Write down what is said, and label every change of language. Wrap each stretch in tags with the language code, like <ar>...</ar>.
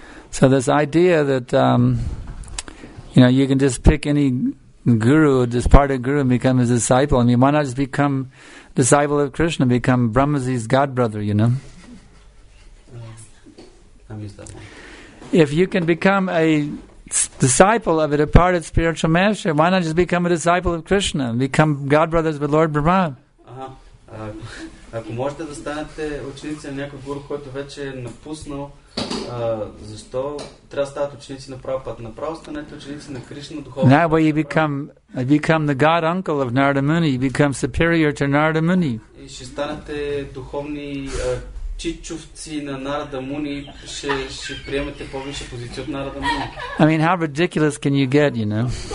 <en>So this idea that you know, you can just pick any guru, just part of guru, and become his disciple. I mean, why not just become disciple of Krishna, and become Brahmaji's god brother? You know, if you can become a disciple of a departed spiritual master, why not just become a disciple of Krishna and become god brothers with Lord Brahma?</en> <bg>Ако можете да станете ученици на някой гуру, който вече е напуснал, защо трябва да стават ученици на Прабхупада? Направо станете ученици на Кришна духовно.</bg> <en>Now where you become the god uncle of Narada Muni, you become superior to Narada Muni.</en> <bg>И ще станете духовни чичовци на Нарада Муни, ще приемете повече позиция от Нарада Муни.</bg> <en>I mean, how ridiculous can you get, you know?</en>